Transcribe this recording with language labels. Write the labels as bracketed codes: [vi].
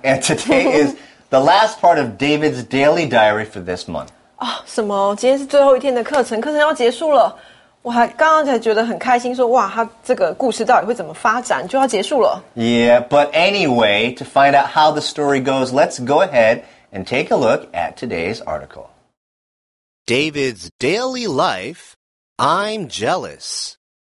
[en] And today is the last part of David's daily diary for this month. [zh] 什么？今天是最后一天的课程，课程要结束了。我还刚刚才觉得很开心，说哇，他这个故事到底会怎么发展，就要结束了。 [en] Yeah, but anyway, to find out how the story goes, let's go ahead and take a look at today's article. David's daily life. I'm jealous.